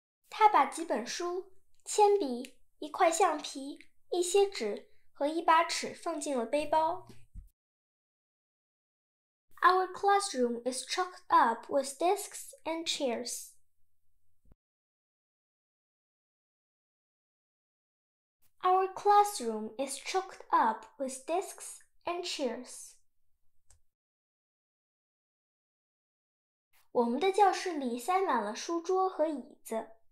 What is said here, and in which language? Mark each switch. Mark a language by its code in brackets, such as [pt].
[zh] 他把几本书、铅笔、一块橡皮、一些纸和一把尺放进了背包。 [en] Our classroom is chocked up with desks and chairs. Our classroom is chocked up with desks and chairs. [zh] 我们的教室里塞满了书桌和椅子。